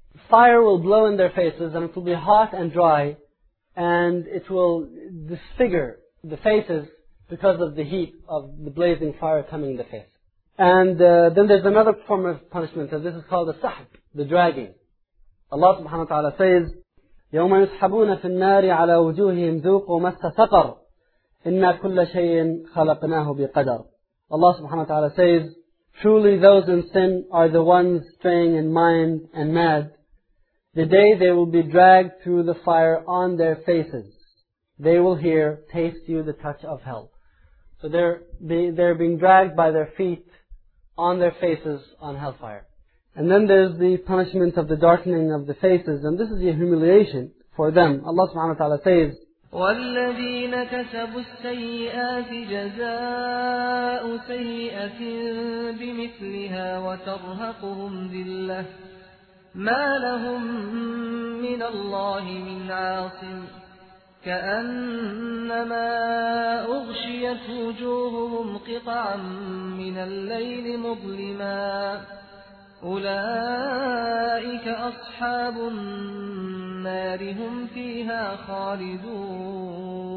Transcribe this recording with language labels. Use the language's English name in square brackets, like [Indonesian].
[English] Fire will blow in their faces and it will be hot and dry. And it will disfigure the faces because of the heat of the blazing fire coming in the face. And then there's another form of punishment, and this is called the sahb, the dragging. Allah subhanahu wa ta'ala says, [Arabic] يَوْمَ يُسْحَبُونَ فِي النَّارِ عَلَى وُجُوهِهِمْ ذُوقُوا مَسَّ سَقَرُ إِنَّا كُلَّ شَيْءٍ خَلَقْنَاهُ بِقَدَرٍ. [English] Allah subhanahu wa ta'ala says, truly those in sin are the ones straying in mind and mad. The day they will be dragged through the fire on their faces, they will hear, taste you the touch of hell. So they're being dragged by their feet on their faces on hellfire. And then there's the punishment of the darkening of the faces, and this is the humiliation for them. Allah subhanahu wa ta'ala says, [Arabic] وَالَّذِينَ كَسَبُوا السَّيِّئَاتِ جَزَاءُ سَيِّئَةٍ بِمِثْلِهَا وَتَرْهَقُهُمْ ذِلَّةٌ ما لهم من الله من عاصم كأنما أغشيت وجوههم قطعا من الليل مظلما أولئك أصحاب النار هم فيها خالدون.